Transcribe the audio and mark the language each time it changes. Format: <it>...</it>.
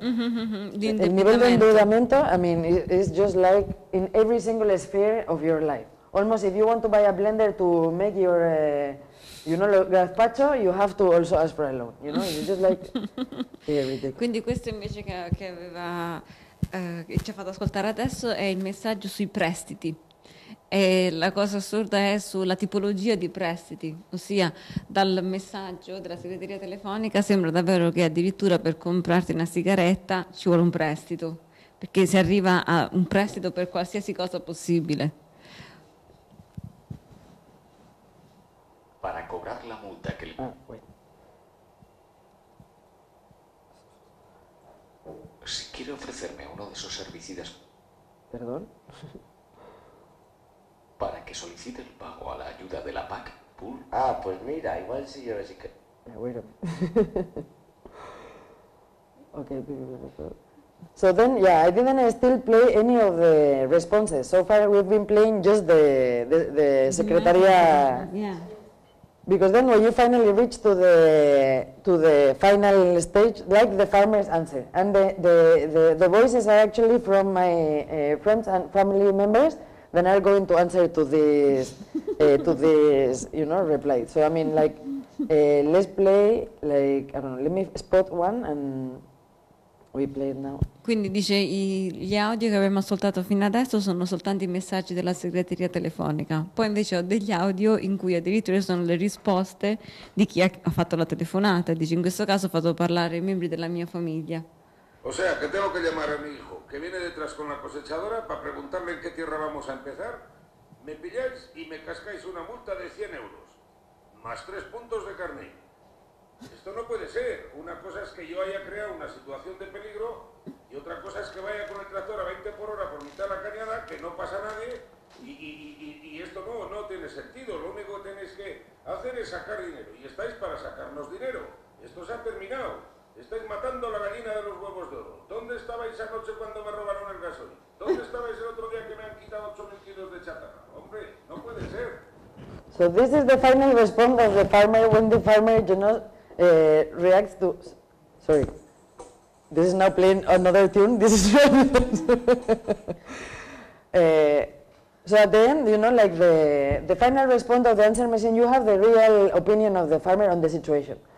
<es>El nivel de endeudamiento,</es> <en>I mean, it's just like in every single sphere of your life. Almost if you want to buy a blender to make your, you know, gazpacho, you have to also ask for a loan, you know, it's just like,</en> <it>Quindi questo invece che aveva che ci ha fatto ascoltare adesso è il messaggio sui prestiti. E la cosa assurda è sulla tipologia di prestiti, ossia dal messaggio della segreteria telefonica sembra davvero che addirittura per comprarti una sigaretta ci vuole un prestito, perché si arriva a un prestito per qualsiasi cosa possibile.</it> <es>Para cobrar la multa que... Si quiere ofrecerme uno de esos herbicidas... ¿Perdón? Para que solicite el pago a la ayuda de la PAC, Pool. Ah, pues mira, igual si yo así que... Bueno.</es> <en>Okay, so then, yeah, I didn't still play any of the responses. So far we've been playing just the secretaria... Yeah. Because then when you finally reach to the final stage, like the farmer's answer, and the voices are actually from my friends and family members, then are going to answer to this, you know, reply. So I mean, like, let's play, like, I don't know, let me spot one and we play it now.</en> <it>Quindi dice, gli audio che abbiamo ascoltato fino adesso sono soltanto i messaggi della segreteria telefonica. Poi invece ho degli audio in cui addirittura sono le risposte di chi ha fatto la telefonata. Dice, in questo caso ho fatto parlare ai membri della mia famiglia.</it> <es>O sea, que tengo que llamar a mi hijo, que viene detrás con la cosechadora para preguntarme en qué tierra vamos a empezar. Me pilláis y me cascáis una multa de 100 euros, más 3 puntos de carnet. Esto no puede ser. Una cosa es que yo haya creado una situación de peligro y otra cosa es que vaya con el tractor a 20 por hora por mitad de la cañada, que no pasa nadie, y esto no tiene sentido. Lo único que tenéis que hacer es sacar dinero, y estáis para sacarnos dinero. Esto se ha terminado. Estáis matando a la gallina de los huevos de oro. ¿Dónde estabais anoche cuando me robaron el gasoil? ¿Dónde estabais el otro día que me han quitado 8.000 kilos de chatarra? Hombre, no puede ser.</es> <en>So this is the final response of the farmer when the farmer, you know, reacts to, sorry, this is now playing another tune, this is so at the end, you know, like the final response of the answer machine, you have the real opinion of the farmer on the situation.</en>